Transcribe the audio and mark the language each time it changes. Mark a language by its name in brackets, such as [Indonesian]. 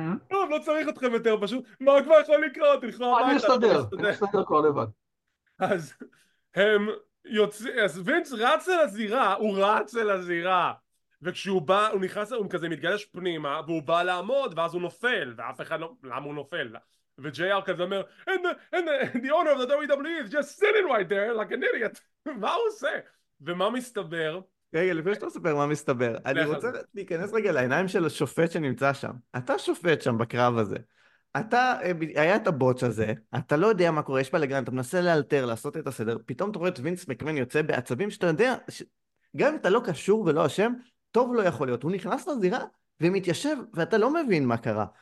[Hebrew] טוב, לא צריך אתכם יותר פשוט, מה כבר יכול לקרות? אני אסתדר, כבר לבד. אז הם... יוצא, אז וינס רץ אל הזירה, הוא רץ אל הזירה וכשהוא בא, הוא נכנס, הוא כזה מתגלש פנימה, והוא בא לעמוד, ואז הוא נופל, ואף אחד לא, למה הוא נופל? [English] וג'י-אר [Hebrew] כזה אומר, [English] and the owner of the WWE is just sitting right there like an idiot. [Hebrew] מה הוא עושה? ומה מסתבר? רגע, לפני שאתה מספר מה מסתבר, אני רוצה להיכנס רגע לעיניים של השופט שנמצא שם. אתה שופט שם בקרב הזה. אתה, היה את הבוץ' הזה, אתה לא יודע מה קורה, יש בלגן, אתה מנסה לאלתר, לעשות את הסדר, פתאום אתה רואה את וינס מקמן יוצא בעצבים, שאתה יודע, גם אם אתה לא קשור ולא אשם, טוב לא יכול להיות. הוא נכנס לזירה ומתיישב, ואתה לא מבין מה קרה.